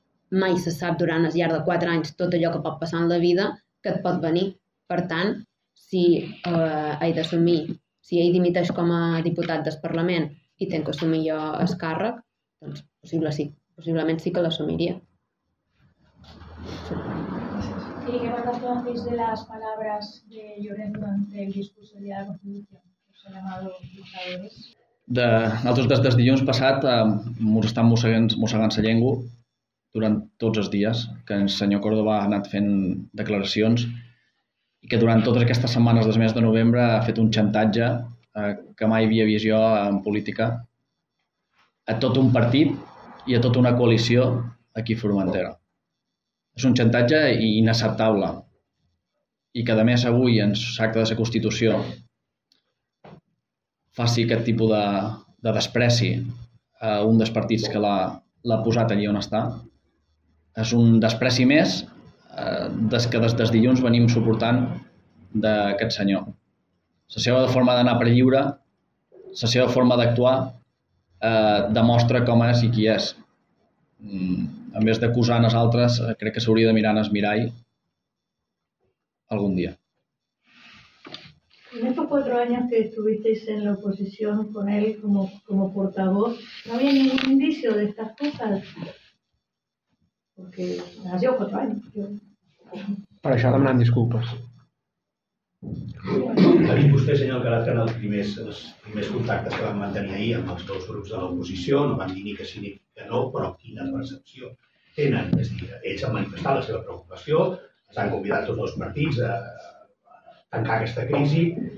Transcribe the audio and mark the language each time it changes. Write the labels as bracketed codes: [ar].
[ca] mai se sap durant el llarg de 4 anys tot allò que pot passar en la vida que et pot venir. Per tant, si he d'assumir, si ell dimiteix com a diputat del Parlament i tenc que assumir jo el càrrec, doncs possible sí, possiblement sí que l'assumiria. Sí. [es] ¿Qué pasa entonces de las palabras de Llorenç durante el discurso de la Constitución? Se ha llamado dictadores. [ca] De, nosaltres des del dilluns passat ens estan mossegant la llengua durant tots els dies, que el senyor Córdoba ha anat fent declaracions i que durant totes aquestes setmanes del mes de novembre ha fet un xantatge que mai havia vist jo en política a tot un partit i a tota una coalició aquí a Formentera. És un xantatge inacceptable i que a més avui en l'acte de la Constitució faci aquest tipus de despreci a un dels partits que l'ha posat allà on està. És un despreci més des que des del dilluns venim suportant d'aquest senyor. La seva forma d'anar per lliure, la seva forma d'actuar, demostra com és i qui és. [es] En vez [ca] d'acusar a les altres, crec que s'hauria de mirar en el mirall algun dia. [es] En estos 4 años que estuvisteis en la oposición con él como portavoz, ¿no había ningún indicio de estas cosas? Porque ha sido 4 años. [ca] Per això demanant disculpes. Aquí vostè, senyor Calatra, en els primers contactes que vam mantenir ahir amb els dos grups de l'oposició, no van dir ni que sí ni que no, però quina percepció tenen. És a dir, ells han manifestat la seva preocupació, els han convidat tots els partits a tancar aquesta crisi.